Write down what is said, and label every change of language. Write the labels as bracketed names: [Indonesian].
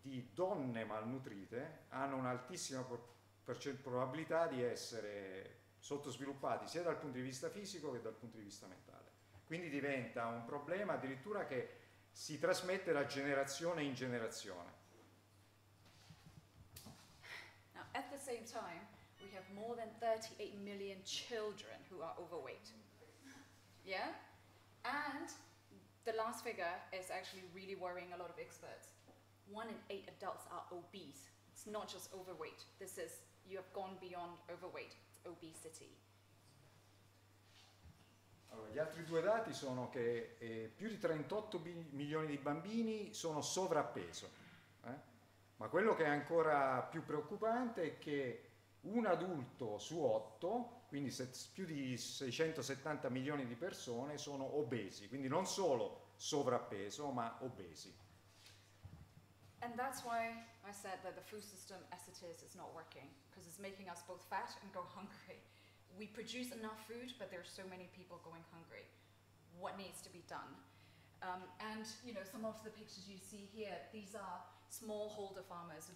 [Italian] di donne malnutrite hanno un'altissima probabilità di essere sottosviluppati sia dal punto di vista fisico che dal punto di vista mentale. Quindi diventa un problema addirittura che si trasmette da generazione in generazione. [English] Now, at the same time, we have more than 38 million children who are overweight. Yeah? And the last figure is actually really worrying a lot of experts. 1 in 8 adults are obese. It's not just overweight. This is, you have gone beyond overweight. It's obesity. [Italian] Allora, gli altri due dati sono che più di 38 milioni di bambini sono sovrappeso. Ma quello che è ancora più preoccupante è che un adulto su 8, quindi più di 670 milioni di persone, sono obesi. Quindi non solo sovrappeso, ma obesi. [English] And that's why I said that the food system as it is not working, because it's making us both fat and go hungry. We produce enough food, but there are so many people going hungry. What needs to be done? And you know, some of the pictures you see here, these are smallholder farmers.